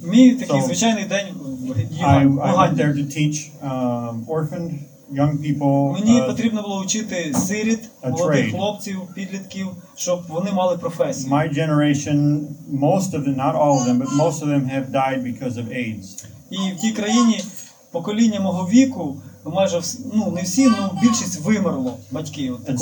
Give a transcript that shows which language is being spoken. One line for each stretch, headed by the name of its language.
Ukrainian: Мій такий звичайний день в Уганді.
English: I went there to teach orphaned young people.
Ukrainian: Мені потрібно було вчити сиріт, молодих хлопців, підлітків, щоб вони мали професію.
English: My generation, most of them, not all of them, but most of them have died because of AIDS.
Ukrainian: І в тій країні покоління мого віку, майже, не всі, але більшість вимерло, батьки.